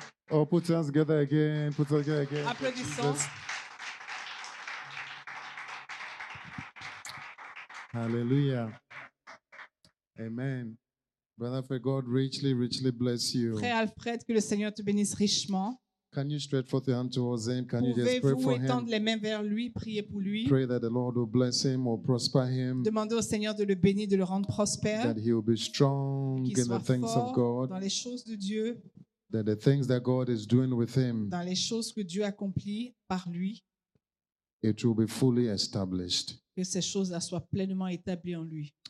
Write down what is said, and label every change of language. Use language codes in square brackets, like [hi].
[en] Oh, put hands together again. Put hands together again. [fr] Applaudissons. [en] Hallelujah. Amen. Brother Alfred, God richly, richly bless you. [fr] Frère Alfred, que le Seigneur te bénisse richement. [en] Can you stretch forth your hand towards him? Can [fr] pouvez-vous [en] you just pray for him? [fr] Étendre les mains vers lui, prier pour lui. [en] Pray that the Lord will bless him or prosper him. [fr] Demandez au Seigneur de le bénir, de le rendre prospère. [en] That he will be strong in the things of God. [fr] Dans les choses de Dieu. [en] That the things that God is doing with him, [fr] dans les choses que Dieu accomplit par lui, [en] it will be fully established. [fr] Que ces choses là soient pleinement établies en lui.